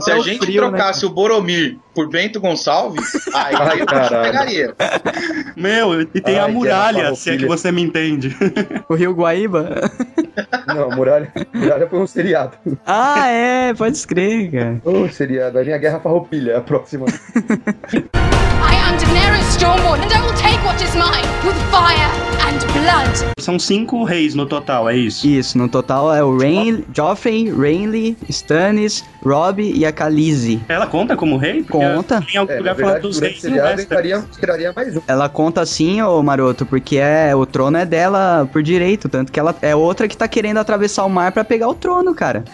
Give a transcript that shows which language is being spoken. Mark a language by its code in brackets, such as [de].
[pt] se a gente frio, trocasse, né, o Boromir por Bento Gonçalves, aí a gente pegaria. Meu, e tem a muralha, se é que você me entende. O Rio Guaíba? Não, a muralha foi um seriado. Ah, é, pode escrever, cara. Oh, seriado. Vai vir a Guerra Farroupilha, a próxima. [en] I am Daenerys Stormborn, and I will take what is mine with fire and blood. [pt] São 5 reis no total, é isso? Isso, no total é o Joffrey, Renly, Stannis, Robb e a Khaleesi. Ela conta como rei? Porque conta. Em algum lugar fala dos reis. Tiraria mais um. Ela conta sim, ô maroto, porque o trono é dela por direito, tanto que ela é outra que tá querendo atravessar o mar pra pegar o trono, cara.